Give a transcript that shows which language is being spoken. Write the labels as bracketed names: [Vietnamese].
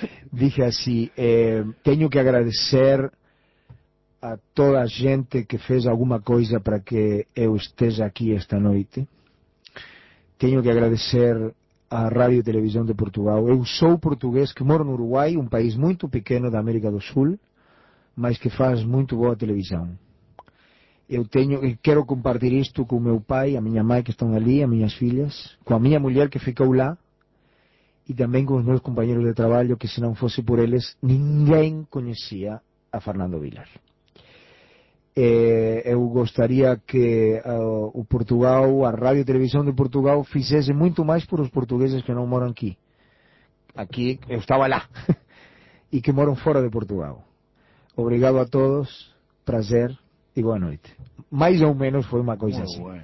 [Spanish] Dije así, tengo que agradecer a toda la gente que [Portuguese] fez [Spanish] alguna cosa para que [Portuguese] eu esteja [Spanish] aquí esta noche. Tengo que agradecer a Radio y Televisión de Portugal. [Portuguese] Eu sou [Spanish] portugués, que moro en Uruguay, un país muy pequeño de América del Sur, [Portuguese] mas que faz [Spanish] muy buena televisión. [Portuguese] Quero compartir isto com o meu pai, a minha mãe que estão ali, as minhas filhas, com a minha mulher que ficou lá, [Spanish] y también con los nuevos compañeros de trabajo, que si no fuese por ellos, [Portuguese] ninguém [Spanish] conocía a Fernando Vilar. [Portuguese] Eu gostaria que o Portugal, a Rádio e Televisão de Portugal, fizesse muito mais por os portugueses que não moram aqui. Aqui, eu estava lá. E que moram fora de Portugal. Obrigado a todos, prazer e boa noite. Mais ou menos foi uma coisa assim.